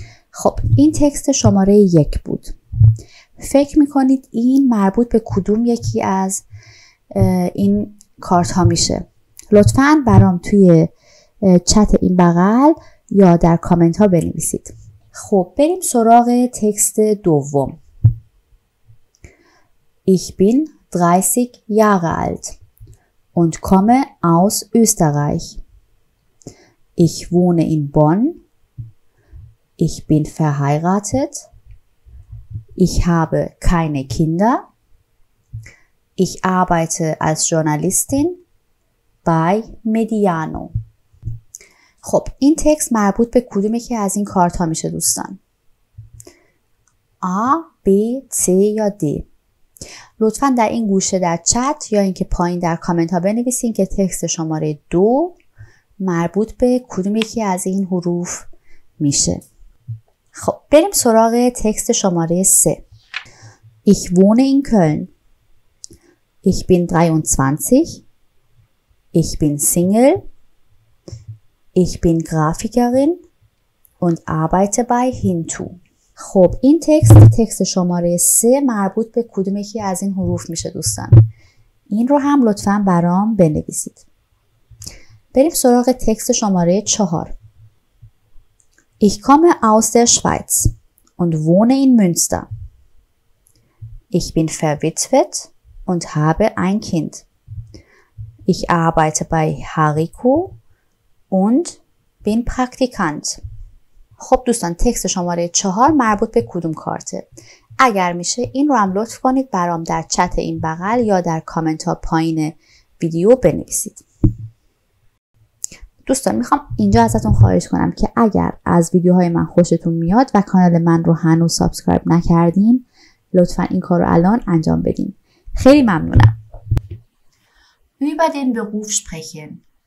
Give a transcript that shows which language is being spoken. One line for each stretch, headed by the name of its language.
Persian: خب این تکست شماره 1 بود. فکر میکنید این مربوط به کدوم یکی از این کارت ها میشه؟ لطفاً برام توی چت این بغل یا در کامنت ها بنویسید. خب بریم سراغ تکست دوم.
German: Ich bin 30 Jahre alt und komme aus Österreich. Ich wohne in Bonn. Ich bin verheiratet. Ich habe keine Kinder. Ich arbeite als Journalistin bei Mediano.
Persian: خب این تکست مربوط به کدوم یکی از این کارت ها میشه دوستان؟ A, B, C یا D؟ لطفاً در این گوشه در چت یا اینکه پایین در کامنت ها بنویسین که تکست شماره 2 مربوط به کدوم یکی از این حروف میشه. خب بریم سراغ تکست شماره 3.
German: Ich wohne in Köln. Ich bin 23. Ich bin single. Ich bin Grafikerin und arbeite bei Hintu.
Persian: خب این تکست شماره 3 مربوط به کدوم یکی از این حروف میشه دوستان؟ این رو هم لطفاً برام بنویسید. بریم سراغ تکست شماره 4.
German: Ich komme aus der Schweiz und wohne in Münster. Ich bin verwitwet und habe ein Kind. Ich arbeite bei Haricoo und bin Praktikant.
Persian: خب دوستان تکست شماره 4 مربوط به کدوم کارته؟ اگر میشه این رو هم لطف کنید برام در چت این بغل یا در کامنت ها پایین ویدیو بنویسید. دوستان میخوام اینجا ازتون خواهش کنم که اگر از ویدیوهای من خوشتون میاد و کانال من رو هنوز سابسکرایب نکردین لطفا این کار رو الان انجام بدین. خیلی ممنونم.
German: Über den Beruf sprechen.